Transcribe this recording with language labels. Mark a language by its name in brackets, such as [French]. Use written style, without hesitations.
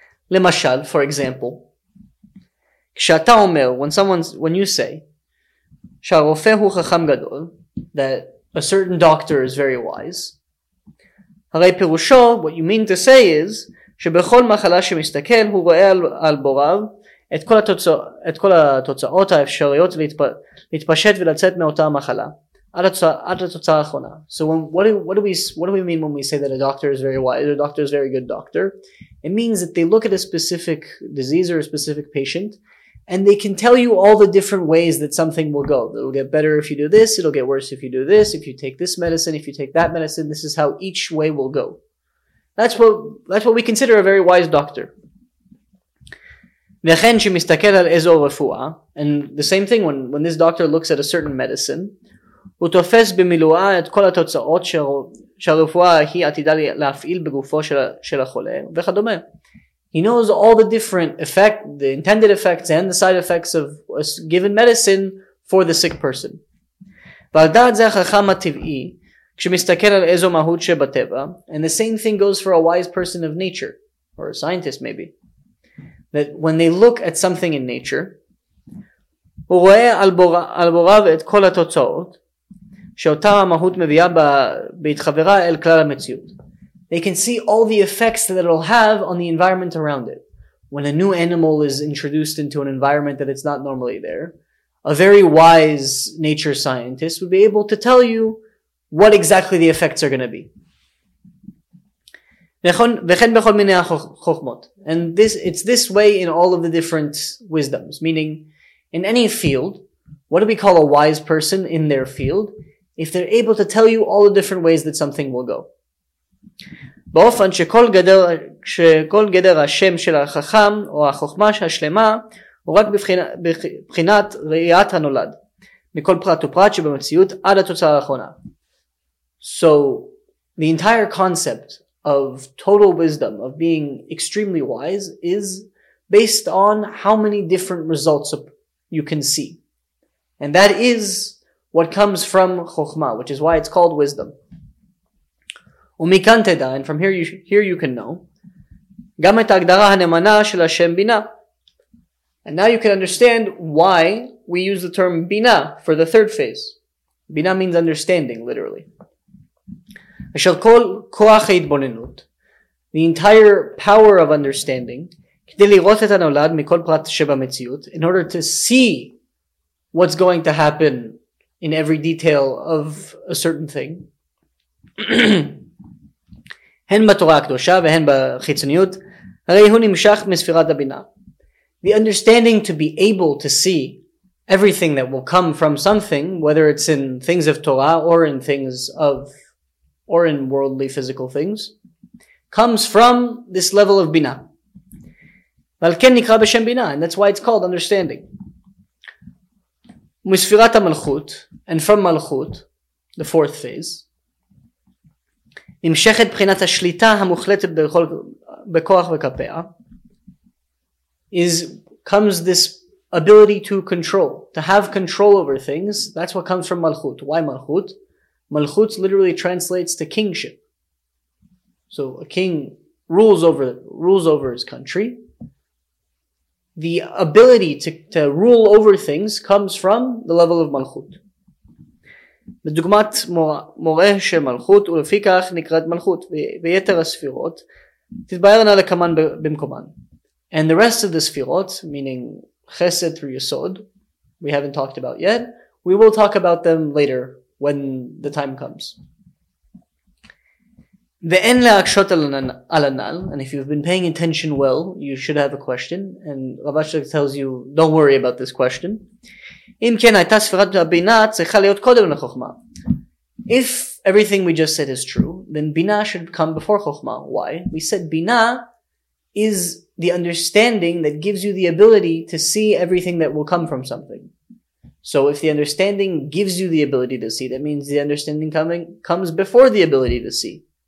[Hebrew] למשל, [English] for example, [Hebrew] כשאתה אומר, [English] when you say, [Hebrew] שהרופא הוא חכם גדול, [English] that a certain doctor is very wise, [Hebrew] הרי פירושו, [English] what you mean to say is, [Hebrew] שבכל מחלה שמסתכל, הוא רואה על בוריו, את כל התוצאות האפשריות להתפשט ולצאת מאותה מחלה, עד התוצאה האחרונה. [English] So what do we mean when we say that a doctor is very wise, a doctor is a very good doctor? It means that they look at a specific disease or a specific patient, and they can tell you all the different ways that something will go. It'll get better if you do this, it'll get worse if you do this, if you take this medicine, if you take that medicine, this is how each way will go. That's what we consider a very wise doctor. [Hebrew] וכן שמסתכל על איזו רפואה, [English] and the same thing, when this doctor looks at a certain medicine, [Hebrew] הוא תופס במילואה את כל התוצאות שהרפואה היא עתידה להפעיל בגופו של החולה, וכדומה. [English] He knows all the different effect, the intended effects and the side effects of a given medicine for the sick person. [Hebrew] ועל דעת זה החכם הטבעי, כשמסתכל על איזו מהות שבטבע, [English] and the same thing goes for a wise person of nature, or a scientist maybe, that when they look at something in nature, [Hebrew] הוא רואה על בוריו את כל התוצאות, שאותה המהות מביאה בהתחברה אל כלל המציאות. [English] They can see all the effects that it'll have on the environment around it. When a new animal is introduced into an environment that it's not normally there, a very wise nature scientist would be able to tell you what exactly the effects are going to be. [Hebrew] וכן בכל מיני החוכמות. [English] And it's this way in all of the different wisdoms. Meaning, in any field, what do we call a wise person in their field? If they're able to tell you all the different ways that something will go. [Hebrew] באופן שכל גדר השם של החכם או החוכמה השלמה הוא רק בבחינת ראיית הנולד מכל פרט ופרט שבמציאות עד התוצאה האחרונה. [English] So the entire concept of total wisdom, of being extremely wise, is based on how many different results you can see. And that is what comes from chokhmah, which is why it's called wisdom. [Hebrew] ומכאן תדע, [English] and from here you can know, [Hebrew] גם את ההגדרה הנאמנה של השם בינה. [English] And now you can understand why we use the term בינה for the third phase. [Hebrew] בינה means understanding, literally. אשר כל כוח ההתבוננות, [English] the entire power of understanding, [Hebrew] כדי לראות את הנולד מכל פרט שבמציאות, [English] in order to see what's going to happen in every detail of a certain thing, [Hebrew] הן בתורה הקדושה והן בחיצוניות, הרי הוא נמשך מספירת הבינה. [English] The understanding to be able to see everything that will come from something, whether it's in things of Torah or in things of, or in worldly physical things, comes from this level of bina. [Hebrew] ועל כן נקרא בשם בינה, [English] and that's why it's called understanding. מספירת המלכות, and from מלכות, the fourth phase, [Hebrew] נמשכת בחינת השליטה המוחלטת בכוח וכפיה, [English] comes this ability to control, to have control over things. That's what comes from מלכות. Why מלכות? מלכות literally translates to kingship. So a king rules over his country. The ability to rule over things comes from the level of Malchut. [Hebrew] בדוגמת מורה של מלכות ולפי כך נקראת מלכות ויתר הספירות תתבהרנה לכמן במקומן. [English] And the rest of the ספירות, meaning chesed through yesod, we haven't talked about yet, we will talk about them later when the time comes. [Hebrew] ואין להקשות על הנעל, [English] and if you've been paying attention well, you should have a question, and רב אשלג tells you, don't worry about this question. [Hebrew] אם כן, הייתה ספירת הבינה צריכה להיות קודם לחוכמה. [English] If everything we just said is true, then bina should come before chokhma. Why? We said bina is the understanding that gives you the ability to see everything that will come from something. So if the understanding gives you the ability to see, that means the understanding comes before the ability to see.